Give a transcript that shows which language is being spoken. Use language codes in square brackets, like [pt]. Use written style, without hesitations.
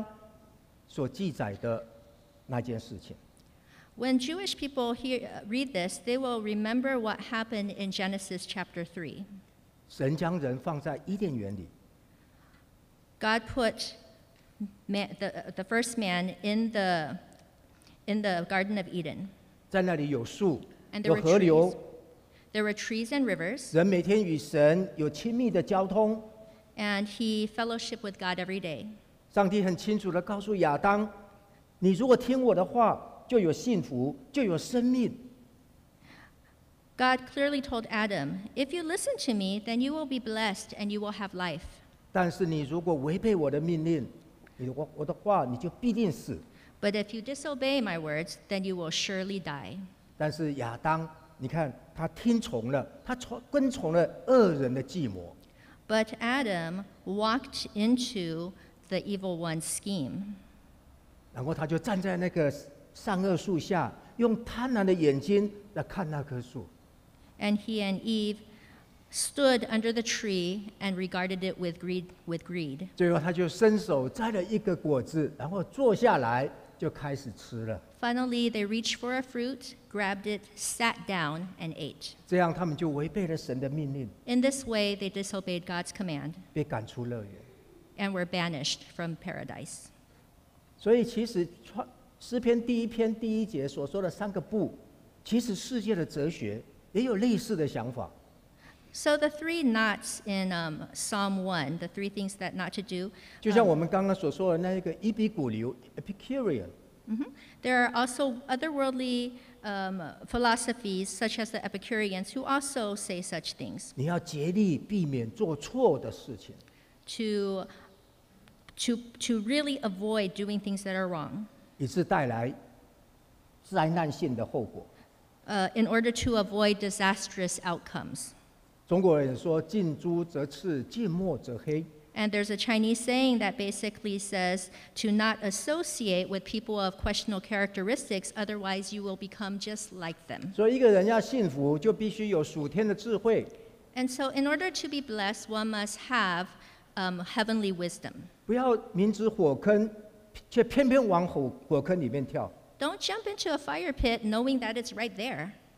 [zh] 他会立刻想到创世纪第三章所记载的那件事情。 [en] When Jewish people read this, they will remember what happened in Genesis chapter 3. [zh] 神将人放在伊甸园里。 [en] God put Man, the first man in the in the Garden of Eden. [zh] 在那里有树, [en] and there [zh] 有河流, [en] were trees. There were trees and rivers. [zh] 人每天与神有亲密的交通, [en] and he fellowshiped with God every day. [zh] 上帝很清楚地告诉亚当, 你如果听我的话, 就有幸福, 就有生命。 [en] God clearly told Adam, if you listen to me, then you will be blessed and you will have life. [zh] 但是你如果违背我的命令, 你的话, [en] but if you disobey my words, then you will surely die. [zh] 但是亚当, 你看, 他听从了, 他跟从了恶人的计谋。 [en] But Adam walked into the evil one's scheme. [zh] 然后他就站在那个善恶树下, 用贪婪的眼睛来看那棵树。 [en] And he and Eve stood under the tree and regarded it with greed. [zh] 最后他就伸手摘了一个果子，然后坐下来就开始吃了。 [en] Finally, they reached for a fruit, grabbed it, sat down, and ate. [zh] 这样他们就违背了神的命令。 [en] In this way, they disobeyed God's command. [zh] 被赶出乐园。 [en] And were banished from paradise. [zh] 所以其实诗篇第一篇第一节所说的三个不，其实世界的哲学。也有类似的想法。 [en] So the three knots in Psalm 1, the three things that not to do, [zh] 就像我们刚刚所说的那个伊比古流, Epicurean, [en] there are also otherworldly philosophies such as the Epicureans who also say such things. [zh] 你要竭力避免做错的事情。 [en] To really avoid doing things that are wrong. [zh] 以致带来灾难性的后果。 [en] In order to avoid disastrous outcomes. [zh] 中国人说, 近朱则赤, 近墨则黑。 [en] And there's a Chinese saying that basically says to not associate with people of questionable characteristics, otherwise you will become just like them. [zh] 所以一个人要幸福, 就必须有属天的智慧。 [en] And so in order to be blessed, one must have heavenly wisdom. [zh] 不要明知火坑, 却偏偏往火坑里面跳。 [en] Don't jump into a fire pit knowing that it's right there.